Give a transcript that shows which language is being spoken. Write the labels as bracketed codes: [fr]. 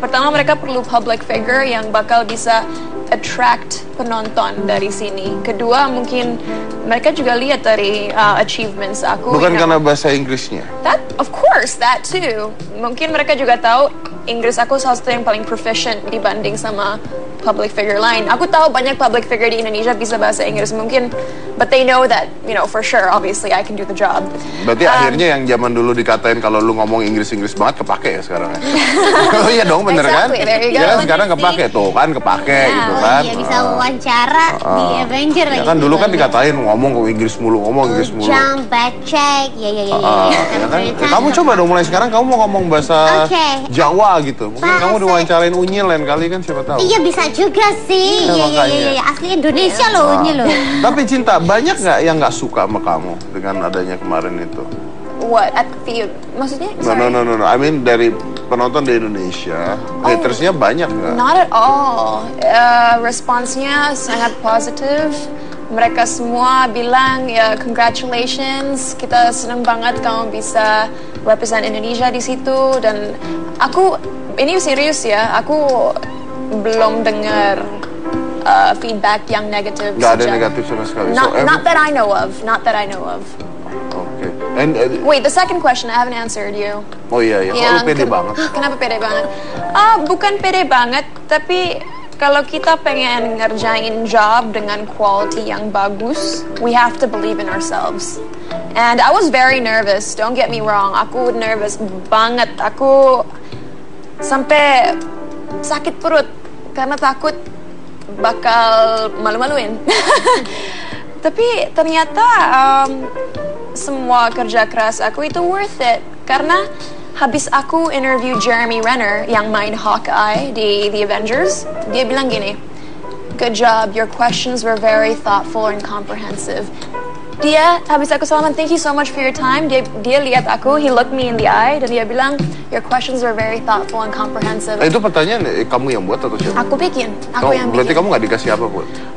[id] Pertama, mereka perlu public figure yang bakal bisa attract penonton dari sini. Kedua, mungkin mereka juga lihat dari achievements aku. Bukan karena bahasa Inggrisnya? [en] That, of course, that too. [id] Mungkin mereka juga tahu Inggris aku salah satu yang paling proficient dibanding sama public figure lain. Aku tahu banyak public figure di Indonesia bisa bahasa Inggris mungkin, [en] but they know that, you know, for sure, obviously, I can do the job. [id] Berarti akhirnya yang zaman dulu dikatain kalau lu ngomong Inggris-Inggris banget, kepake ya sekarang ya? Oh iya dong, bener [en] exactly, [id] kan? [en] Exactly, there you go. [id] Ya, sekarang kepake, tuh kan, kepake gitu kan. Ya, bisa wawancara di Avenger ya, lagi. Ya kan, dulu kan dikatain ngomong Inggris mulu, ngomong Inggris mulu. Ujang, becek, ya. Kamu coba dong mulai sekarang, kamu mau ngomong bahasa Jawa gitu. Mungkin kamu diwawancarain Unyil lain kali kan, siapa tahu. Iya, bisa juga sih. Asli Indonesia loh, Unyil loh. Tapi Cinta, banyak gak yang gak suka sama kamu dengan adanya kemarin itu? [en] What? At the maksudnya? Sorry. No. I mean [id] dari penonton di Indonesia, hatersnya banyak gak? [en] Not at all. [id] Responsnya sangat positive. Mereka semua bilang, ya congratulations, kita senang banget kamu bisa represent Indonesia di situ. Dan aku, ini serius ya, aku belum dengar feedback yang negatif. Gak ada negatif sama sekali. [en] Not that I know of. Okay. Wait, the second question, I haven't answered you. [id] Oh iya, kok lu pede banget? Kenapa pede banget? Bukan pede banget, tapi kalau kita pengen ngerjain job dengan quality yang bagus, [en] we have to believe in ourselves. And I was very nervous, don't get me wrong. [id] Aku nervous banget. Aku sampai sakit perut karena takut bakal malu-maluin. Tapi ternyata semua kerja keras aku itu worth it. Karena habis aku interview Jeremy Renner yang main Hawkeye di The Avengers, dia bilang gini, [en] good job, your questions were very thoughtful and comprehensive. [id] Dia habis aku salaman, [en] thank you so much for your time. [id] Dia lihat aku, [en] he looked me in the eye, [id] dan dia bilang, [en] your questions were very thoughtful and comprehensive. [id] Itu pertanyaan kamu yang buat atau siapa? Aku yang bikin. Berarti kamu gak dikasih apa buat?